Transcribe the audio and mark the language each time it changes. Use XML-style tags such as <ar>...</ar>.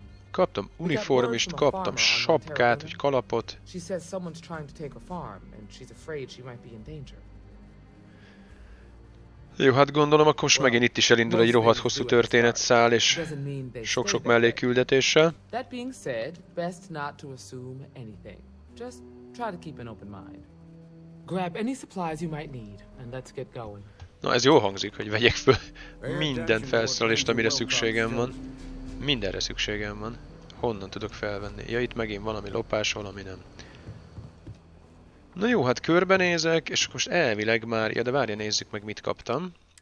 <hu>Kaptam uniformist, kaptam sapkát, vagy kalapot.</hu> <en>She says someone's trying to take a farm and she's afraid she might be in danger.</en> <hu>Jó, hát gondolom, akkor most megint itt is elindul egy rohadt hosszú történetszál és sok-sok melléküldetéssel.</hu> <en>That being said, best not to assume anything. Just try to keep an open mind. Grab any supplies you might need and let's get going.</en> <hu>Na, ez jól hangzik, hogy vegyek föl minden felszerelést, amire szükségem van. Mindenre szükségem van. Honnan tudok felvenni? Ja, itt megint valami lopás, valami nem. Na jó, hát körbenézek, és most elvileg már... Ja, de várja, nézzük meg, mit kaptam.</hu>